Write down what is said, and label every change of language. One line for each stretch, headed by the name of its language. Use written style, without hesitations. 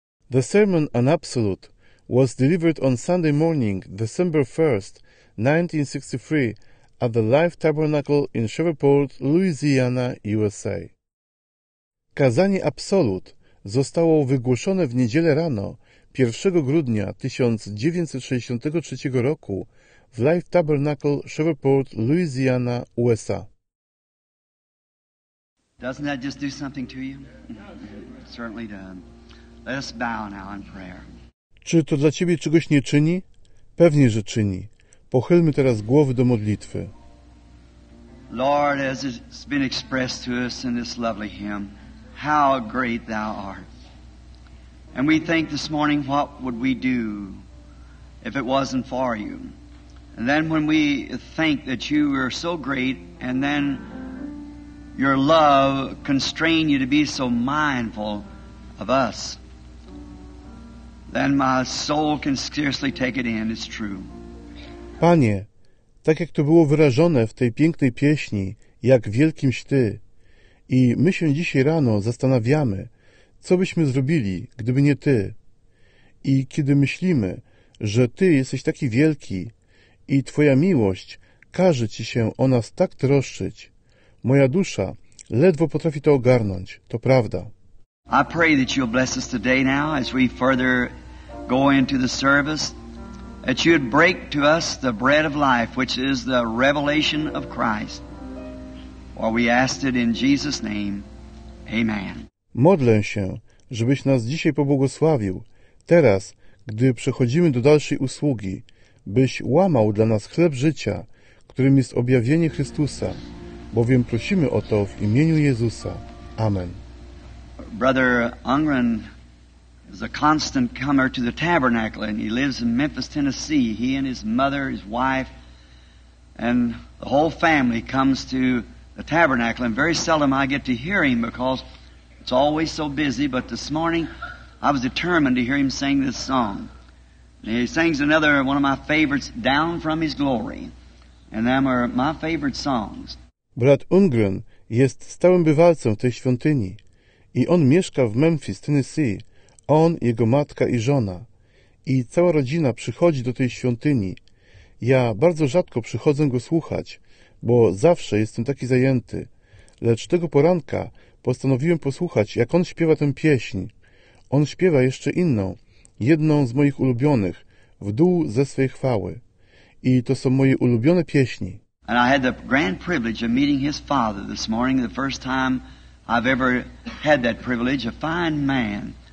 English: The sermon, An Absolute, was delivered on Sunday morning, December 1, 1963, at the Life Tabernacle in Shreveport, Louisiana, USA.
Polish: Kazanie Absolute zostało wygłoszone w niedzielę rano, 1 grudnia 1963 roku, w Life Tabernacle, Shreveport, Louisiana, USA.
English: Doesn't that just do something to you? Certainly does. Let us bow now in prayer.
Polish: Czy to dla Ciebie czegoś nie czyni? Pewnie, że czyni. Pochylmy teraz głowy do modlitwy.
English: Lord, as it's been expressed to us in this lovely hymn, how great Thou art. And we think this morning, what would we do if it wasn't for You? And then when we think that You are so great, and then Your love constrained You to be so mindful of us, then my soul can scarcely take it in, it's true.
Polish: Panie, tak jak to było wyrażone w tej pięknej pieśni, jak wielkimś Ty, i my się dzisiaj rano zastanawiamy, co byśmy zrobili, gdyby nie Ty. I kiedy myślimy, że Ty jesteś taki wielki i Twoja miłość każe Ci się o nas tak troszczyć, moja dusza ledwo potrafi to ogarnąć, to prawda.
English: I pray that You'll bless us today now as we further go into the service, that You'd break to us the bread of life, which is the revelation of Christ. For we ask it in Jesus' name. Amen.
Polish: Modlę się, żebyś nas dzisiaj pobłogosławił, teraz, gdy przechodzimy do dalszej usługi, byś łamał dla nas chleb życia, którym jest objawienie Chrystusa, bowiem prosimy o to w imieniu Jezusa. Amen.
English: Brother Ungren is a constant comer to the tabernacle, and he lives in Memphis, Tennessee. He and his mother, his wife, and the whole family comes to the tabernacle, and very seldom I get to hear him because it's always so busy, but this morning I was determined to hear him sing this song. And he sings another one of my favorites, Down from His Glory, and them are my favorite songs.
Polish: Brat Ungren jest stałym bywalcą tej świątyni i on mieszka w Memphis, Tennessee, on, jego matka i żona. I cała rodzina przychodzi do tej świątyni. Ja bardzo rzadko przychodzę go słuchać, bo zawsze jestem taki zajęty. Lecz tego poranka postanowiłem posłuchać, jak on śpiewa tę pieśń. On śpiewa jeszcze inną, jedną z moich ulubionych, W dół ze swej chwały. I to są moje ulubione pieśni.
English: And I had the grand privilege of meeting his father this morning, the first time I've ever had that privilege, a fine man.